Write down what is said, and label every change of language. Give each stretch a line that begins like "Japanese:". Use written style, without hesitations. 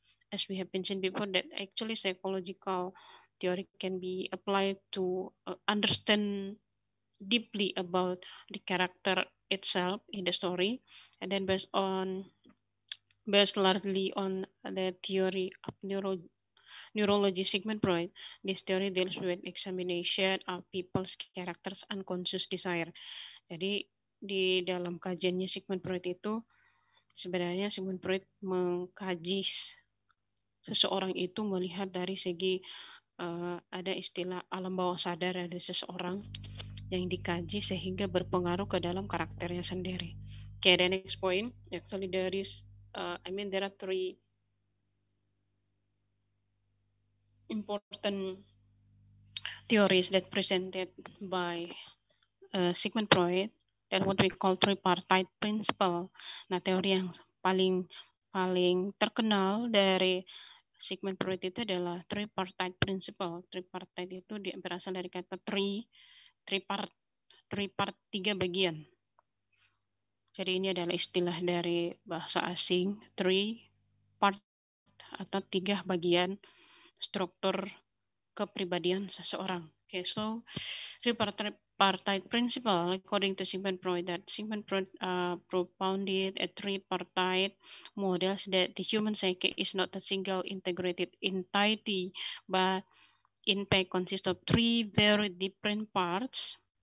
English: As we have mentioned before, that actually psychological theory can be applied to understand deeply about the character itself in the story, and then based largely on the theory of neurology, Sigmund Freud. This theory deals with examination of people's characters unconscious desire.
Indonesian: Jadi di dalam kajiannya Sigmund Freud itu, sebenarnya Sigmund Freud mengkaji seseorang itu melihat dari segi ada istilah alam bawah sadar dari seseorang yang dikaji sehingga berpengaruh ke dalam karakternya sendiri.
English: Okay, the next point. Actually, there are three important theories that presented by Sigmund Freud that what we call tripartite principle.
Indonesian: Nah, teori yang paling terkenal dari Sigmund Freud itu adalah tripartite principle. Tripartite itu berasal dari kata tripart, tiga bagian. Jadi ini adalah istilah dari bahasa asing, tripart atau tiga bagian struktur kepribadian seseorang.
English: Okay, so tripartite principle, according to Sigmund Freud, that Sigmund Freud propounded a tripartite model that the human psyche is not a single integrated entity, but in fact consists of three very different parts.